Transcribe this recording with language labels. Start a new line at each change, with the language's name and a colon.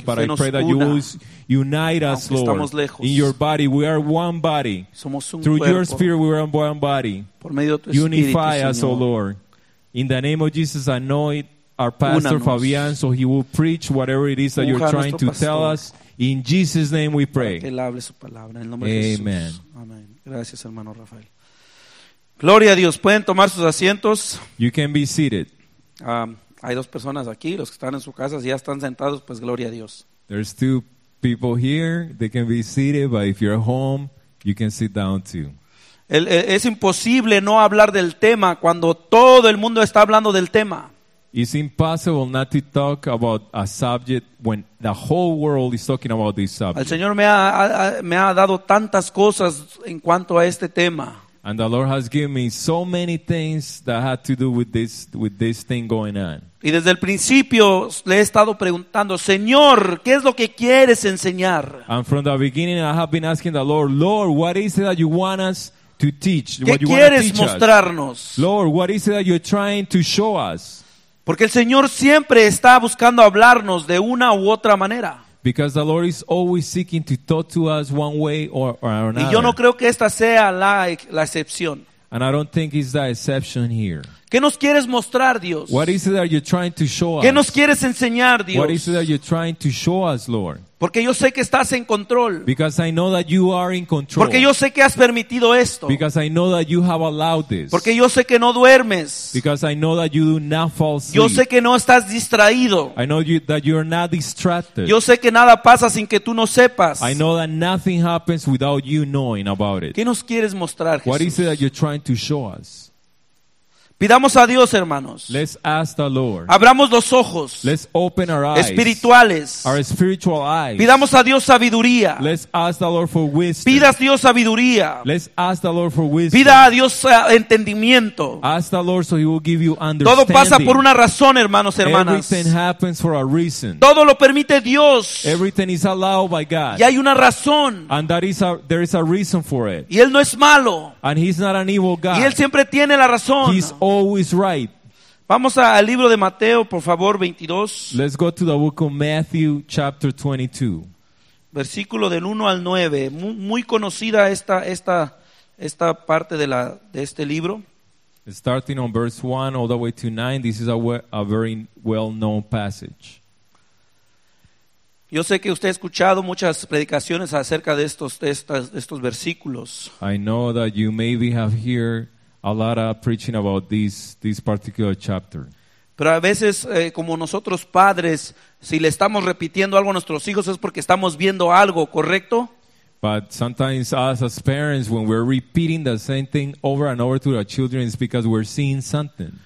English: But I pray that you will unite us, Lord, in your body. We are one body. Through your spirit, we are one body. Unify us, O Lord. In the name of Jesus, anoint our pastor, Fabian, so he will preach whatever it is that you're trying to tell us. In Jesus' name we pray.
Spanish: Que Él hable su palabra, en el nombre de Jesús. Amén. Gracias, hermano Rafael. Gloria a Dios. Pueden tomar sus asientos.
English: You can be seated.
Spanish: Hay dos personas aquí, los que están en su casa, si ya están sentados, pues gloria a Dios.
English: There's two people here, they can be seated, but if you're home, you can sit down too.
Spanish: Es imposible no hablar del tema cuando todo el mundo está hablando del tema.
English: It's impossible not to talk about a subject when the whole world is talking about this subject.
Spanish: El Señor me ha dado tantas cosas en cuanto a este tema.
English: And the Lord has given me so many things that had to do with this thing going on.
Spanish: Y desde el principio le he estado preguntando, Señor, ¿qué es lo que quieres enseñar?
English: And from the beginning I have been asking the Lord, what is it that you want us to teach?
Spanish: ¿Qué quieres mostrarnos?
English: Lord, what is it that you're trying to show us?
Spanish: Porque el Señor siempre está buscando hablarnos de una u otra manera.
English: Because the Lord is always seeking to talk to us one way or another.
Spanish: Y yo no creo que esta sea la excepción.
English: And I don't think it's the exception here.
Spanish: ¿Qué nos quieres mostrar, Dios?
English: What is it that you're trying to show
Spanish: ¿Qué
English: us?
Spanish: Nos quieres enseñar, Dios?
English: What is it that you're trying to show us, Lord?
Spanish: Porque yo sé que estás en control.
English: Because I know that you are in control.
Spanish: Porque yo sé que has permitido esto.
English: Because I know that you have allowed this.
Spanish: Porque yo sé que no duermes.
English: Because I know that you do not fall asleep.
Spanish: Yo sé que no estás distraído.
English: I know that you are not distracted.
Spanish: Yo sé que nada pasa sin que tú no sepas.
English: I know that nothing happens without you knowing about it.
Spanish: ¿Qué nos quieres mostrar, Jesús?
English: What is it that you're trying to show us?
Spanish: Pidamos a Dios, hermanos.
English: Let's ask the Lord.
Spanish: Abramos los ojos.
English: Let's open our eyes.
Spanish: Espirituales.
English: Our spiritual eyes.
Spanish: Pidamos a Dios sabiduría.
English: Let's ask the Lord for wisdom.
Spanish: Pidas a Dios sabiduría.
English: Let's ask the Lord for wisdom.
Spanish: Pida a Dios entendimiento.
English: Ask the Lord so he will give you understanding.
Spanish: Todo pasa por una razón, hermanos, hermanas.
English: Everything happens for a reason.
Spanish: Todo lo permite Dios.
English: Everything is allowed by God.
Spanish: Y hay una razón.
English: And there is a reason for it.
Spanish: Y él no es malo.
English: And he's not an evil God.
Spanish: Y él siempre tiene la razón.
English: He's always right.
Spanish: Vamos al libro de Mateo, por favor, 22.
English: Let's go to the book of Matthew, chapter 22.
Spanish: Versículo del 1 al 9. Muy conocida esta parte de este libro.
English: Starting on verse 1 all the way to 9, this is a very well-known passage.
Spanish: Yo sé que usted ha escuchado muchas predicaciones acerca de estos versículos.
English: I know that you maybe have heard a lot of preaching about this particular chapter.
Spanish: Pero a veces, como nosotros padres, si le estamos repitiendo algo a nuestros hijos es porque estamos viendo algo, ¿correcto?
English: But sometimes us as parents, when we're repeating the same thing over and over to our children, it's because we're seeing something.